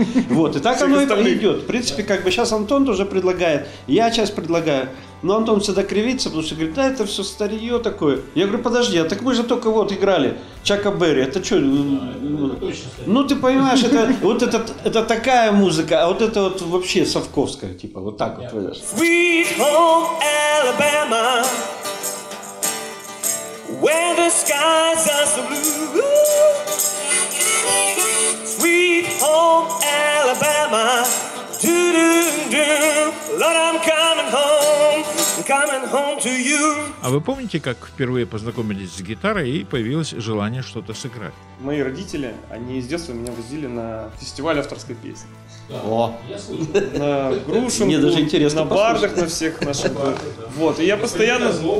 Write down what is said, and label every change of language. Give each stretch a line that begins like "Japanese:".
Russian: Вот, и так оно и пойдет. В принципе, как бы сейчас Антон тоже предлагает, я часть предлагаю. Но Антон всегда кривится, потому что говорит, да, это все старье такое. Я говорю, подожди, а так мы же только вот играли Чака Берри. Это что? Да, ну, ты понимаешь, это вот это такая музыка, а вот это вот вообще совковская, типа, вот так вот.
English: Sweet home Alabama, where the skies are so blue. Sweet home Alabama, Lord, I'm coming home.
Russian: А вы помните, как впервые познакомились с гитарой и появилось желание что-то сыграть? Мои родители, они с детства меня возили на фестиваль авторской песни. Да. О! Я слышал. На Грушинку, мне даже интересно на послушать. Бардах, на всех наших. Да. Вот, и я постоянно...